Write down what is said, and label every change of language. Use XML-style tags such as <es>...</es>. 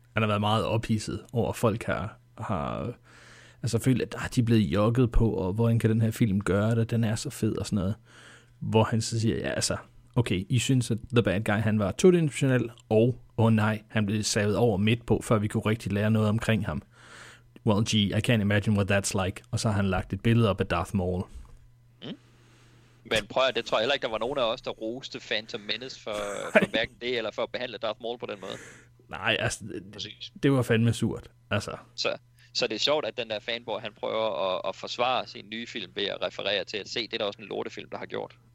<da>han har været meget ophidset over folk her, har altså følt, at de er blevet jokket på, og hvordan kan den her film gøre det, den er så fed og sådan noget. Hvor han så siger, ja altså, okay, I synes, at The Bad Guy, han var todimensionel, og åh nej, han blev savet over midt på, før vi kunne rigtig lære noget omkring ham.</da> <en>Well, gee, I can't imagine what that's like.</en> <da>Og så har han lagt et billede op af Darth Maul. Men prøv at, det tror jeg heller ikke, der var nogen af os, der roste Phantom Menace for hverken det, eller for at behandle Darth Maul på den måde. Nej, altså, det var fandme surt. Altså. Så det er sjovt, at den der fanboy, han prøver at forsvare sin nye film ved at referere til at se, det er også en lortefilm, der har gjort.</da>